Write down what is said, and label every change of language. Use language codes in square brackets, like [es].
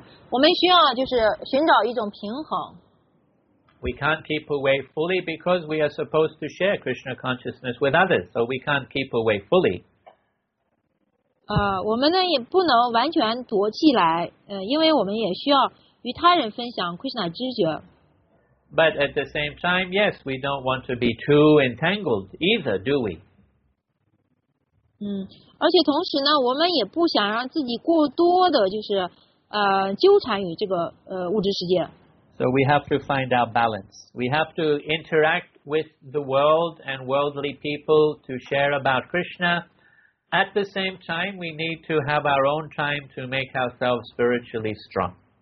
[zh] 我们需要就是寻找一种平衡。 [en] We can't keep away fully because we are supposed to share Krishna consciousness with others. So we can't keep away fully. [zh] 我们呢也不能完全躲起来，因为我们也需要与他人分享 Krishna 知觉。 [en] But at the same time, yes, we don't want to be too entangled either, do we? [zh] 而且同时呢，我们也不想让自己过多的就是纠缠于这个物质世界。 [en] So we have to find our balance. We have to interact with the world and worldly people to share about Krishna. At the same time, we need to have our own time to make ourselves spiritually strong.